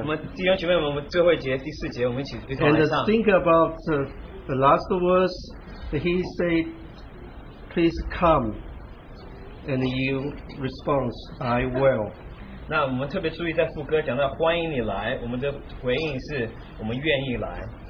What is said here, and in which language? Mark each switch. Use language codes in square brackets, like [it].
[zh] 我们弟兄姐妹们，我们最后一节第四节，我们一起非常来唱。 [en] And think about the last verse. That he said, "Please come," and you respond, "I will." [zh] 那我们特别注意在副歌讲到欢迎你来，我们的回应是我们愿意来。